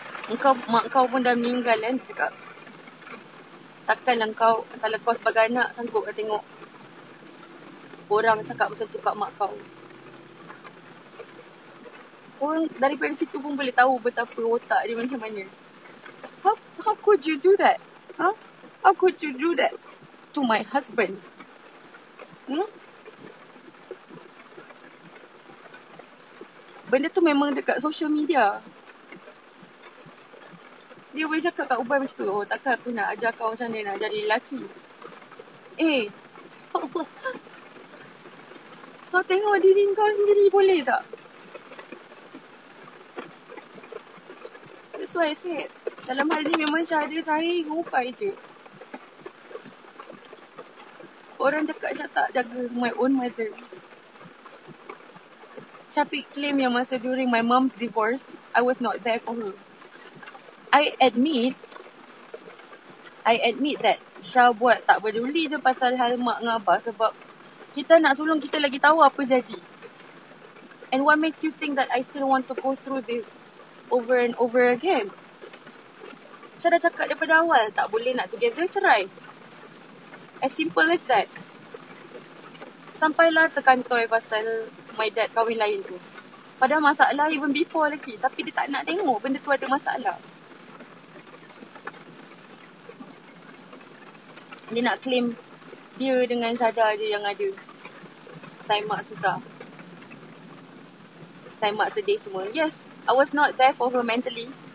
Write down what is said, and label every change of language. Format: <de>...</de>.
<ms>Engkau, mak kau pun dah meninggal kan, dia cakap. Takkanlah kau, kalau kau sebagai anak sanggup nak tengok orang cakap macam tu kat mak kau. Pun daripada situ pun boleh tahu betapa otak dia macam mana.</ms> <en>How could you do that? Huh? How could you do that to my husband? Hmm?</en> <ms>Benda tu memang dekat social media. Dia boleh cakap kat Ubay macam tu, oh takkan aku nak ajar kau macam mana nak jadi lelaki. Eh, kau tengok diri kau sendiri boleh tak?</ms> <en>That's why I said,</en> <ms>dalam hal ni memang cara-cara Ubay je. Orang cakap Syah tak jaga</ms> <en>my own mother. Syafiq</en> <ms>claim yang masa</ms> <en>during my mom's divorce, I was not there for her. I admit that</en> <ms>Syah buat tak peduli je pasal hal mak dengan abah sebab kita nak sulung, kita lagi tahu apa jadi.</ms> <en>And what makes you think that I still want to go through this over and over again?</en> <ms>Syah dah cakap daripada awal, tak boleh nak together, cerai.</ms> <en>As simple as that.</en> <ms>Sampailah terkantoi pasal</ms> <en>my dad</en> <ms>kahwin lain tu. Padahal masalah even before lagi, tapi dia tak nak tengok benda tu ada masalah. Dia nak claim dia dengan saja dia yang ada. Time mak susah. Time mak sedih semua.</ms> <en>Yes, I was not there for her mentally.</en>